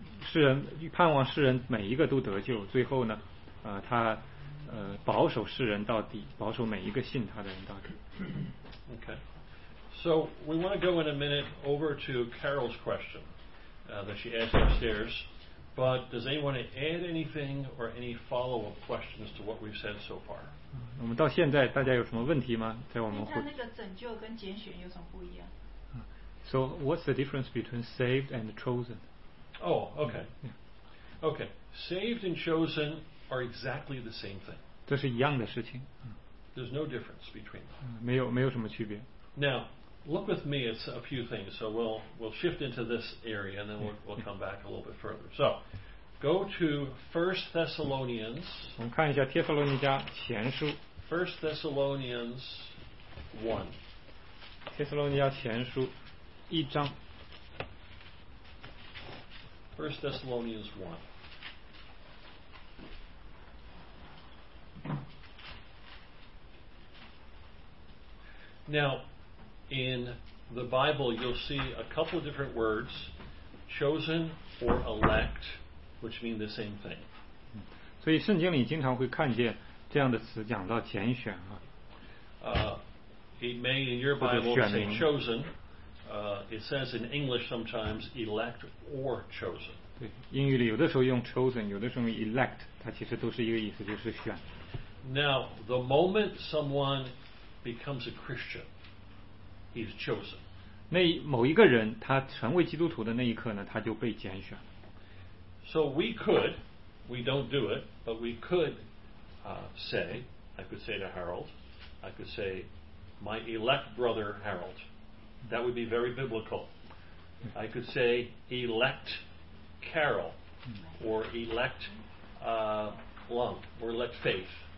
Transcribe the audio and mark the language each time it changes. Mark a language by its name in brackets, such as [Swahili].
[Chinese] 世人盼望世人每一个都得救，最后呢，他保守世人到底，保守每一个信他的人到底。 [English] Okay, so we want to go in a minute over to Carol's question that she asked upstairs. But does anyone add anything or any follow-up questions to what we've said so far? [Chinese] 我们到现在大家有什么问题吗？在我们会。那个拯救跟拣选有什么不一样？ [English] So what's the difference between saved and chosen? Oh, okay. Okay, saved and chosen are exactly the same thing. [Chinese] 这是一样的事情。 [English] There's no difference between them. [Chinese] 没有什么区别。 [English] Now, look with me at a few things. So we'll shift into this area and then we'll come back a little bit further. So, go to 1 Thessalonians. [Chinese] 我们看一下帖撒罗尼迦前书。 [English] 1 Thessalonians 1. [Chinese] 帖撒罗尼迦前书。一章 [English] First Thessalonians 1 Now in the Bible you'll see a couple of different words chosen or elect which mean the same thing [Chinese] 所以圣经里经常会看见这样的词讲到拣选啊。 [English] It may in your Bible say chosen it says in English sometimes elect or chosen. [Chinese] 对，英语里有的时候用 chosen， 有的时候 elect， 它其实都是一个意思，就是选。 [English] Now the moment someone becomes a Christian, he's chosen. [Chinese] 那某一个人他成为基督徒的那一刻呢，他就被拣选。 [English] So we could, we don't do it, but we could say, I could say to Harold, I could say, my elect brother Harold. That would be very biblical. I could say elect Carol or elect Lung or elect Faith.